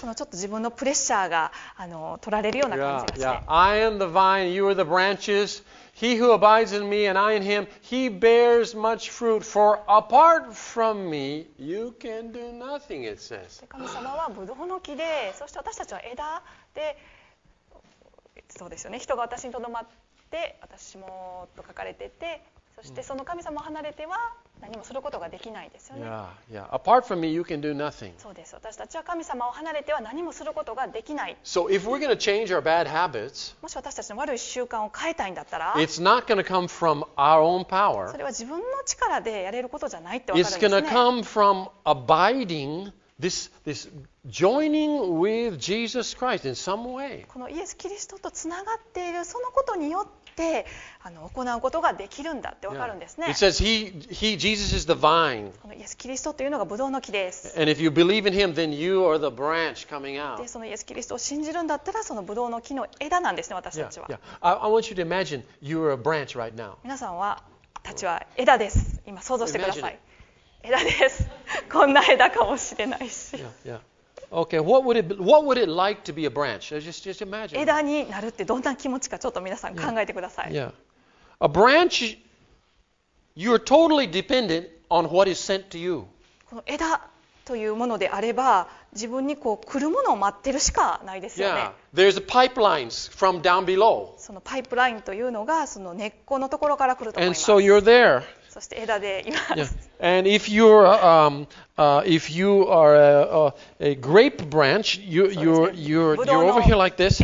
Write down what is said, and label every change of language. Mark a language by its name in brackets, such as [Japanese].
[Japanese] このちょっと自分のプレッシャーが取られるような感じがして。 [English] Yeah, yeah. I am the vine, you are the branches. He who abides in me and I in him, he bears much fruit. For apart from me, you can do nothing, it says. [Japanese] 神様はブドウの木で、そして私たちは枝で、そうですよね。人が私にとどまって、で私もと書かれてて、そしてその神様を離れては何もすることができないですよね。 [English] Yeah, yeah. Apart from me, you can do nothing. [Japanese] そうです。私たちは神様を離れては何もすることができない。 [English] So if we're going to change our bad habits, [Japanese] もし私たちの悪い習慣を変えたいんだったら、 [English] it's not going to come from our own power. [Japanese] それは自分の力でやれることじゃないってわかるんですね。 [English] It's going to come from abiding. This joining with Jesus Christ in some way. [Japanese] このイエス・キリストとつながっているそのことによって行うことができるんだってわかるんですね。 [English] Yeah. It says he Jesus is the vine. [Japanese] このイエス・キリストというのがブドウの木です。 [English] And if you believe in him, then you are the branch coming out. [Japanese] でそのイエス・キリストを信じるんだったらそのブドウの木の枝なんですね私たちは。 [English] Yeah, yeah. I want you to imagine you are a branch right now. [Japanese] 皆さんはたちは枝です。今想像してください。枝です。こんな枝かもしれないし。 [English] Yeah, yeah. Okay. What would it like to be a branch? Just imagine. [Japanese] 枝になるってどんな気持ちかちょっと皆さん考えてください。 [English] Yeah. Yeah. A branch, you're totally dependent on what is sent to you. [Japanese] この枝というものであれば、自分にこう来るものを待ってるしかないですよね。 [English] Yeah. There's pipelines from down below. [Japanese] そのパイプラインというのがその根っこのところから来ると思います。 [English] And so you're there. [Japanese] そして枝でいます。 [English] Yeah. And if you're if you are a grape branch, you're over here like this.